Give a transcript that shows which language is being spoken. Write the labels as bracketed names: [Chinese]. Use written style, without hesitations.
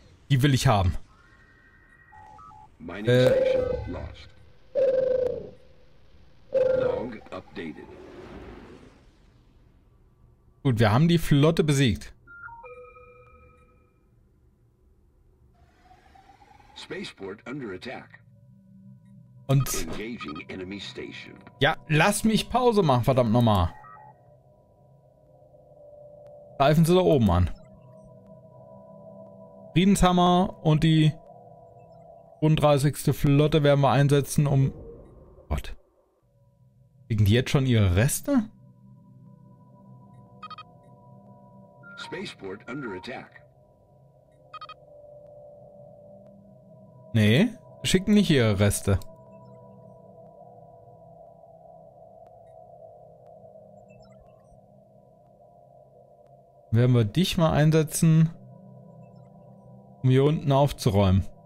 [German] Die will ich haben. Gut, wir haben die Flotte besiegt. [English] Spaceport under attack. [German] Und [English] engaging enemy station. [German] Ja, lass mich Pause machen, verdammt nochmal. Greifen Sie da oben an. Friedenshammer und die 35. Flotte werden wir einsetzen, um... Gott. Kriegen die jetzt schon ihre Reste? [English] Spaceport under attack. [German] Nee, schicken nicht ihre Reste. Werden wir dich mal einsetzen, um hier unten aufzuräumen.